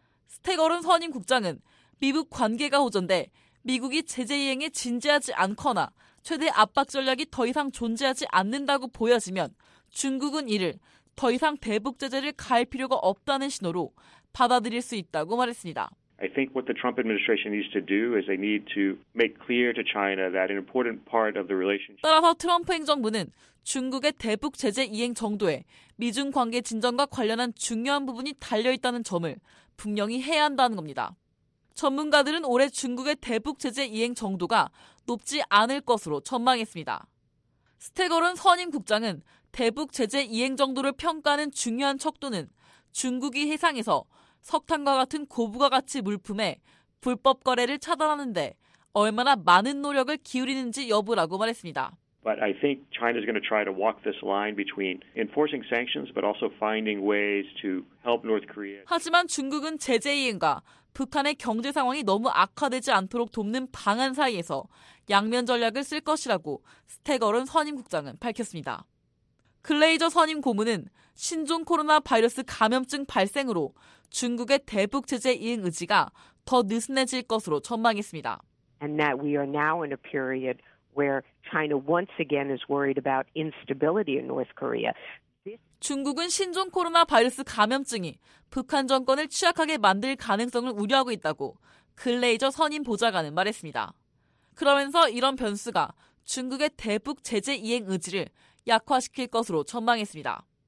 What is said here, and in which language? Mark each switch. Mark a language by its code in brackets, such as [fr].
[ko] 스테거른 선임 국장은 미북 관계가 호전돼 미국이 제재 이행에 진지하지 않거나 최대 압박 전략이 더 이상 존재하지 않는다고 보여지면 중국은 이를 더 이상 대북 제재를 가할 필요가 없다는 신호로 받아들일 수 있다고 말했습니다. [en] I think what the Trump administration needs to do is they need to make clear to China that an important part of the relationship. [ko] 따라서 트럼프 행정부는 중국의 대북 제재 이행 정도에 미중 관계 진전과 관련한 중요한 부분이 달려 있다는 점을 분명히 해야 한다는 겁니다. 전문가들은 올해 중국의 대북 제재 이행 정도가 높지 않을 것으로 전망했습니다. 스테거른 선임 국장은 대북 제재 이행 정도를 평가하는 중요한 척도는 중국이 해상에서 석탄과 같은 고부가 가치 물품에 불법 거래를 차단하는 데 얼마나 많은 노력을 기울이는지 여부라고 말했습니다. [en] But I think China's going to try to walk this line between enforcing sanctions but also finding ways to help North Korea. [ko] 하지만 중국은 제재 이행과 북한의 경제 상황이 너무 악화되지 않도록 돕는 방안 사이에서 양면 전략을 쓸 것이라고 스테거른 선임 국장은 밝혔습니다. 글레이저 선임 고문은 신종 코로나 바이러스 감염증 발생으로 중국의 대북 제재 이행 의지가 더 느슨해질 것으로 전망했습니다. [en] And that we are now in a period where China once again is worried about instability in North Korea. [ko] 중국은 신종 코로나 바이러스 감염증이 북한 정권을 취약하게 만들 가능성을 우려하고 있다고 글레이저 선임 보좌관은 말했습니다. 그러면서 이런 변수가 중국의 대북 제재 이행 의지를 약화시킬 것으로 전망했습니다.